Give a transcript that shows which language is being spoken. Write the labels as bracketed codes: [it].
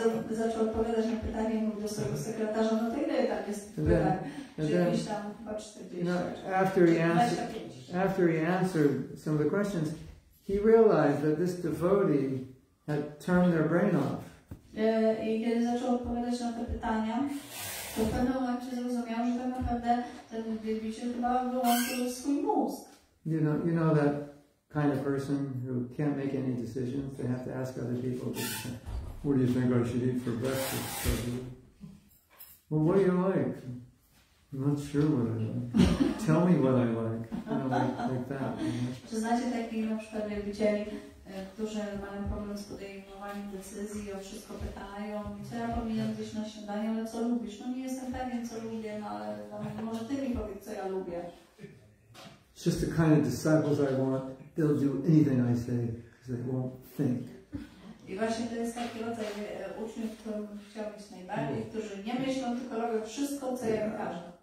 [pl] Zaczął odpowiadać na pytanie, mówił do swojego sekretarza, no to ile tam jest pytań, czyli tam chyba 40. [en] After he answered some of the questions, he realized that this devotee had turned their brain off. [pl] I kiedy zaczął odpowiadać na te pytania, to w pewnym momencie zrozumiał, że tak naprawdę ten wielbiciel chyba wyłączył swój mózg. [en] You know that kind of person who can't make any decisions, they have to ask other people, what do you think I should eat for breakfast? Well, what do you like? I'm not sure what I like. Tell me what I like. You know, like that. [pl] Czy znacie takich na przykład wielbicieli, którzy mają problem z podejmowaniem decyzji, o wszystko pytają, co ja powinienem zjeść na śniadanie, ale co lubisz? No nie jestem pewien, co lubię, no ale może ty mi powiedz, co ja lubię. [en] It's just the kind of disciples I want. They'll do anything I say because they won't think. [pl] I właśnie to jest taki rodzaj uczniów, którym chciałbym być najbardziej, którzy nie myślą, tylko robią wszystko, co ja im każę.